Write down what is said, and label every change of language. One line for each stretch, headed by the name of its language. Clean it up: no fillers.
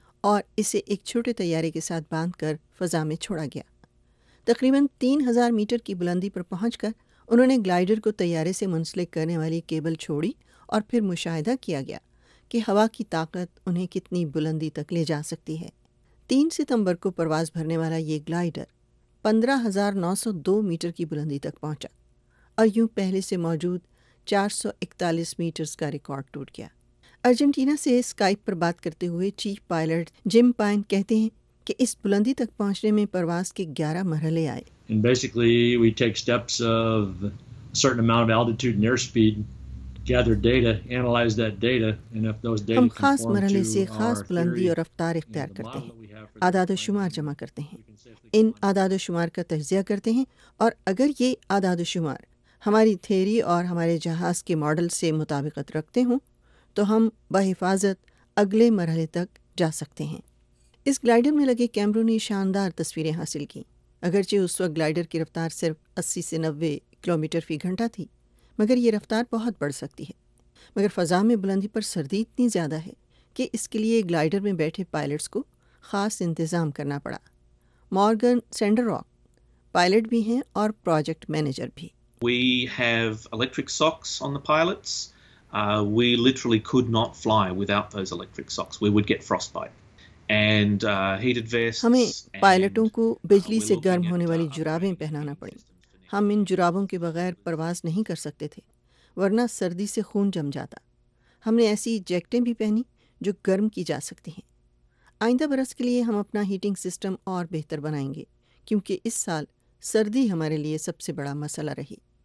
Urdu: اور اسے ایک چھوٹے طیارے کے ساتھ باندھ کر فضا میں چھوڑا گیا۔ تقریباً 3,000 میٹر کی بلندی پر پہنچ کر انہوں نے گلائیڈر کو طیارے سے منسلک کرنے والی کیبل چھوڑی، اور پھر مشاہدہ کیا گیا کہ ہوا کی طاقت انہیں کتنی بلندی تک لے جا سکتی ہے۔ 3 ستمبر کو پرواز بھرنے والا یہ گلائیڈر 15,902 میٹر کی بلندی تک پہنچا، اور یوں پہلے سے موجود 441 میٹرز کا ریکارڈ ٹوٹ گیا۔ ارجنٹینا سے اسکائپ پر بات کرتے ہوئے چیف پائلٹ جم پائن کہتے ہیں کہ اس بلندی تک پہنچنے میں پرواز کے 11 مرحلے آئے.
English: And basically we take steps of a certain amount of altitude and airspeed, gather data, analyze that data, and if those data conform to our theory,
Urdu: ہم خاص مرحلے سے خاص بلندی اور رفتار اختیار کرتے ہیں, اعداد و شمار جمع کرتے ہیں, ان اعداد و شمار کا تجزیہ کرتے ہیں, اور اگر یہ اعداد و شمار ہماری تھیوری اور ہمارے جہاز کے ماڈل سے مطابقت رکھتے ہوں تو ہم بحفاظت اگلے مرحلے تک جا سکتے ہیں. اس گلائیڈر میں لگے کیمروں نے شاندار تصویریں حاصل کی. اگرچہ اس وقت گلائیڈر کی رفتار صرف 80 سے 90 کلومیٹر فی گھنٹہ تھی, مگر یہ رفتار بہت بڑھ سکتی ہے. مگر فضا میں بلندی پر سردی اتنی زیادہ ہے کہ اس کے لیے گلائیڈر میں بیٹھے پائلٹس کو خاص انتظام کرنا پڑا. مارگن سینڈر راک پائلٹ بھی ہیں اور پروجیکٹ مینیجر بھی.
English: We have electric socks on the pilots. We literally could not fly without those electric socks. We would get frostbite. And heated vests.
Urdu: ہمیں پائلٹوں کو بجلی سے گرم ہونے والی جرابیں پہنانا پڑیں. ہم ان جرابوں کے بغیر پرواز نہیں کر سکتے تھے, ورنہ سردی سے خون جم جاتا. ہم نے ایسی جیکٹیں بھی پہنی جو گرم کی جا سکتی ہیں. آئندہ برس کے لیے ہم اپنا ہیٹنگ سسٹم اور بہتر بنائیں گے, کیونکہ اس سال سردی ہمارے لیے سب سے بڑا مسئلہ رہی.